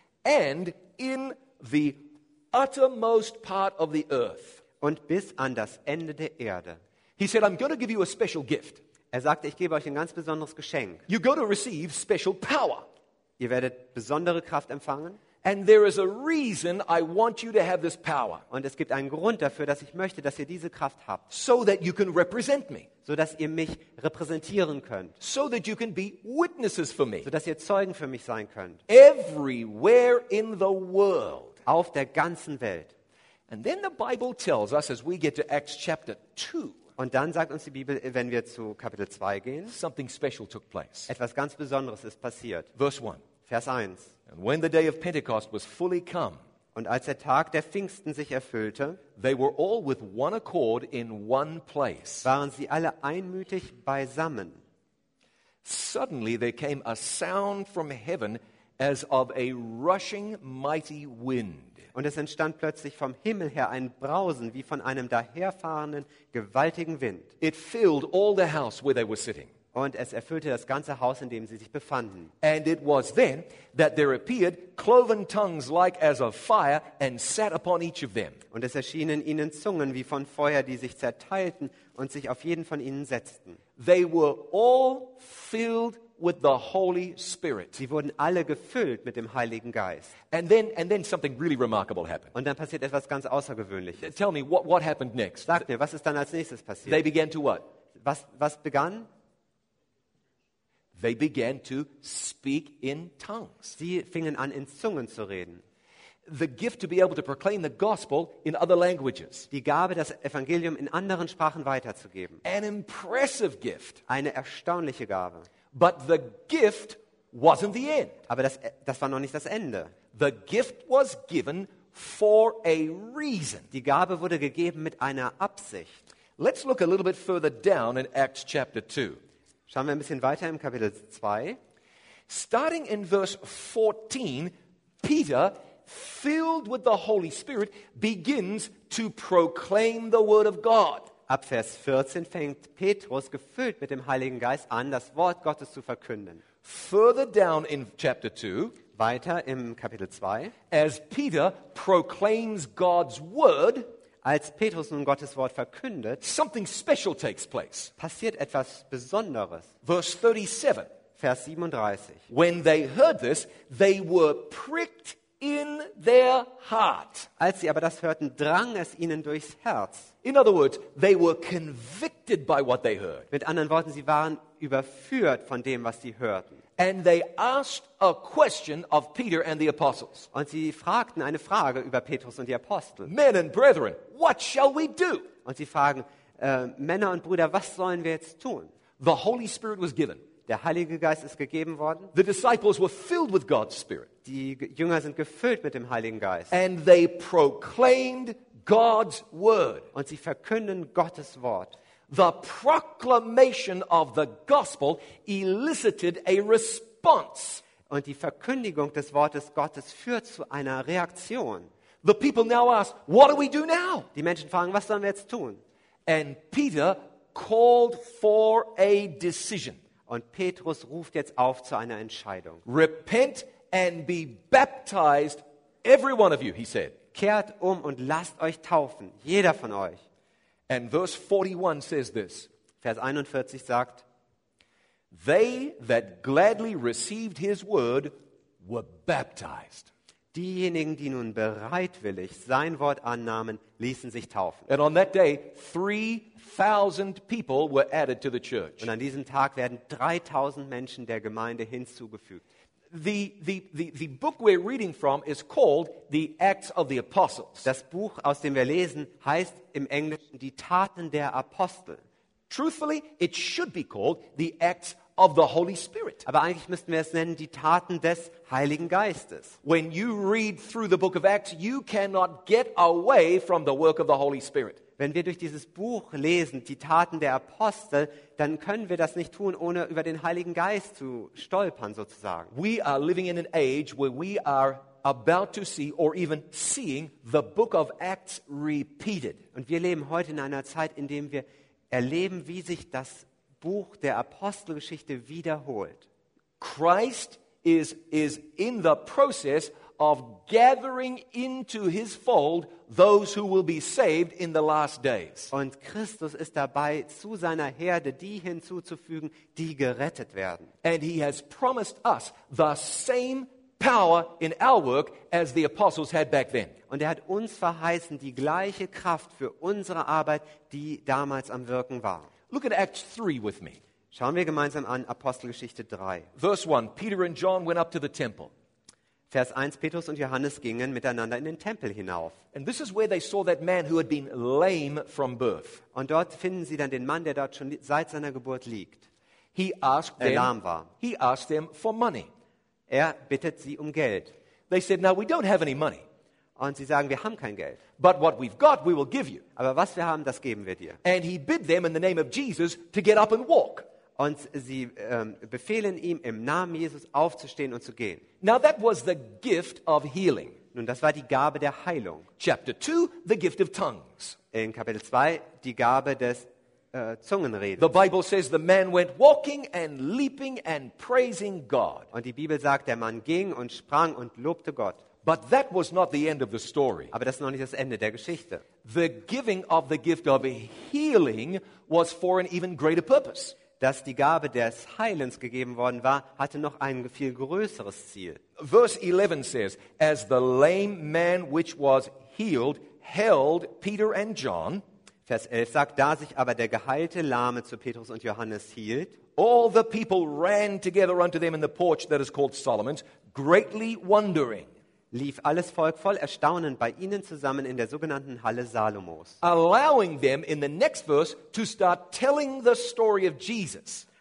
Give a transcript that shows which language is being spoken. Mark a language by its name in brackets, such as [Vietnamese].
[English] and in the uttermost part of the earth, [German] und bis an das Ende der Erde. [English] He said, "I'm going to give you a special gift." [German] Er sagte, ich gebe euch ein ganz besonderes Geschenk. [English] You go to receive special power. [German] Ihr werdet besondere Kraft empfangen. [English] And there is a reason I want you to have this power. [German] Und es gibt einen Grund dafür, dass ich möchte, dass ihr diese Kraft habt. [English] So that you can represent me. [German] So dass ihr mich repräsentieren könnt. [English] So that you can be witnesses for me. [German] So dass ihr Zeugen für mich sein könnt. [English] Everywhere in the world. [German] Auf der ganzen Welt. [English] And then the Bible tells us as we get to Acts chapter 2. [German] Und dann sagt uns die Bibel, wenn wir zu Kapitel 2 gehen, [English] something special took place. [German] Etwas ganz Besonderes ist passiert. [English] Verse 1. [German] Vers 1. [English] And when the day of Pentecost was fully come, [German] und als der Tag der Pfingsten sich erfüllte, [English] they were all with one accord in one place. [German] Waren sie alle einmütig beisammen. [English] Suddenly there came a sound from heaven as of a rushing mighty wind. [German] Und es entstand plötzlich vom Himmel her ein Brausen wie von einem daherfahrenden gewaltigen Wind. [English] It filled all the house where they were sitting. [German] Und es erfüllte das ganze Haus, in dem sie sich befanden. [English] And it was then that there appeared cloven tongues like as of fire and sat upon each of them. [German] Und es erschienen ihnen Zungen wie von Feuer, die sich zerteilten und sich auf jeden von ihnen setzten. [English] They were all filled with the Holy Spirit. [German] Sie wurden alle gefüllt mit dem Heiligen Geist. [English] And then something really remarkable happened. [German] Und dann passiert etwas ganz Außergewöhnliches. [English] Tell me what happened next. [German] Sag mir, was ist dann als nächstes passiert? [English] They began to what? [German] Was begann? [English] They began to speak in tongues. [German] Sie fingen an, in Zungen zu reden. [English] The gift to be able to proclaim the gospel in other languages. [German] Die Gabe, das Evangelium in anderen Sprachen weiterzugeben. [English] An impressive gift. [German] Eine erstaunliche Gabe. [English] But the gift wasn't the end. [German] Aber das war noch nicht das Ende. [English] The gift was given for a reason. [German] Die Gabe wurde gegeben mit einer Absicht. [English] Let's look a little bit further down in Acts chapter 2. [German] Schauen wir ein bisschen weiter im Kapitel 2. [English] Starting in verse 14, Peter, filled with the Holy Spirit, begins to proclaim the word of God. [German] Ab Vers 14 fängt Petrus, gefüllt mit dem Heiligen Geist, an, das Wort Gottes zu verkünden. [English] Further down in chapter 2, [German] weiter im Kapitel 2, [English] as Peter proclaims God's word, [German] als Petrus nun Gottes Wort verkündet, [English] something special takes place. [German] Passiert etwas Besonderes. [English] Verse 37. [German] Vers 37. [English] When they heard this, they were pricked in their heart. [German] Als sie aber das hörten, drang es ihnen durchs Herz. [English] In other words, they were convicted by what they heard. [German] Mit anderen Worten, sie waren überführt von dem, was sie hörten. [English] And they asked a question of Peter and the apostles. [German] Und sie fragten eine Frage über Petrus und die Apostel. [English] Men and brethren, what shall we do? [German] Und sie fragen, Männer und Brüder, was sollen wir jetzt tun? [English] The Holy Spirit was given. [German] Der Heilige Geist ist gegeben worden. [English] The disciples were filled with God's Spirit. [German] Die Jünger sind gefüllt mit dem Heiligen Geist. [English] And they proclaimed God's word. [German] Und sie verkünden Gottes Wort. [English] The proclamation of the gospel elicited a response. [German] Und die Verkündigung des Wortes Gottes führt zu einer Reaktion. [English] The people now ask, what do we do now? [German] Die Menschen fragen, was sollen wir jetzt tun? [English] And Peter called for a decision. [German] Und Petrus ruft jetzt auf zu einer Entscheidung. [English] Repent and be baptized, every one of you, he said. [German] Kehrt um und lasst euch taufen, jeder von euch. [English] And verse 41 says this. [German] Vers 41 sagt: [English] They that gladly received his word were baptized. [German] Diejenigen, die nun bereitwillig sein Wort annahmen, ließen sich taufen. [English] And on that day, 3,000 people were added to the church. [German] Und an diesem Tag werden 3,000 Menschen der Gemeinde hinzugefügt. [English] The book we're reading from is called the Acts of the Apostles. [German] Das Buch, aus dem wir lesen, heißt im Englischen die Taten der Apostel. [English] Truthfully, it should be called the Acts of the Holy Spirit. [German] Aber eigentlich müssten wir es nennen die Taten des Heiligen Geistes. [English] When you read through the book of Acts, you cannot get away from the work of the Holy Spirit. [German] Wenn wir durch dieses Buch lesen, die Taten der Apostel, dann können wir das nicht tun, ohne über den Heiligen Geist zu stolpern, sozusagen. [English] We are living in an age where we are about to see or even seeing the book of Acts repeated. [German] Und wir leben heute in einer Zeit, in der wir erleben, wie sich das Buch der Apostelgeschichte wiederholt. [English] Christ is in the process of gathering into his fold those who will be saved in the last days. [German] Und Christus ist dabei, zu seiner Herde die hinzuzufügen, die gerettet werden. [English] And he has promised us the same power in our work as the apostles had back then. [German] Und hat uns verheißen die gleiche Kraft für unsere Arbeit, die damals am Wirken war. [English] Look at Acts 3 with me. [German] Schauen wir gemeinsam an Apostelgeschichte 3. [English] Verse 1, Peter and John went up to the temple. [German] Vers 1, Petrus und Johannes gingen miteinander in den Tempel hinauf. [English] And this is where they saw that man who had been lame from birth. [German] Und dort finden sie dann den Mann, der dort schon seit seiner Geburt liegt. [English] He asked them, [German] lahm war. [English] He asked them for money. [German] Er bittet sie um Geld. [English] They said, now we don't have any money. [German] Und sie sagen, wir haben kein Geld. [English] But what we've got, we will give you. [German] Aber was wir haben, das geben wir dir. [English] And he bid them in the name of Jesus to get up and walk. [German] Und sie befehlen ihm im Namen Jesus aufzustehen und zu gehen. [English] Now that was the gift of healing. [German] Nun, das war die Gabe der Heilung. [English] Chapter 2, the gift of tongues. [German] In Kapitel 2, die Gabe des Zungenredens. [English] The Bible says the man went walking and leaping and praising God. [German] Und die Bibel sagt, der Mann ging und sprang und lobte Gott. [English] But that was not the end of the story. [German] Aber das ist noch nicht das Ende der Geschichte. [English] The giving of the gift of healing was for an even greater purpose. [German] Dass die Gabe des Heilens gegeben worden war, hatte noch ein viel größeres Ziel. [English] Verse 11 says, as the lame man which was healed held Peter and John, [German] Vers 11 sagt, da sich aber der geheilte Lahme zu Petrus und Johannes hielt, [English] all the people ran together unto them in the porch that is called Solomon's, greatly wondering. [German] Lief alles Volk voll Erstaunen bei ihnen zusammen in der sogenannten Halle Salomos. [English] Allowing them in the next verse to start telling the story of Jesus.